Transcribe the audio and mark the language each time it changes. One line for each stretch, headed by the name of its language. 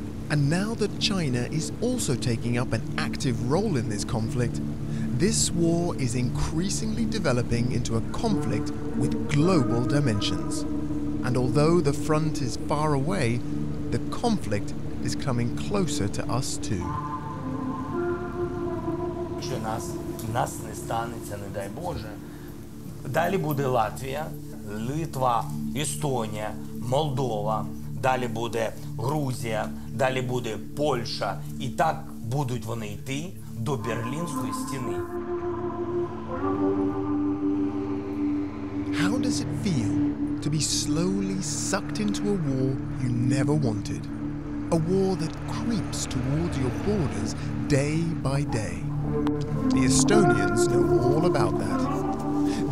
English: And now that China is also taking up an active role in this conflict, this war is increasingly developing into a conflict with global dimensions. And although the front is far away, the conflict is coming closer to us too.
Ukrainian: Якщо нас не станеться, не дай Боже, далі буде Латвія, Литва, Естонія, Молдова, далі буде Грузія, далі буде Польща, і так будуть вони йти до Берлінської стіни.
English: How does it feel to be slowly sucked into a war you never wanted? A war that creeps towards your borders day by day. The Estonians know all about that.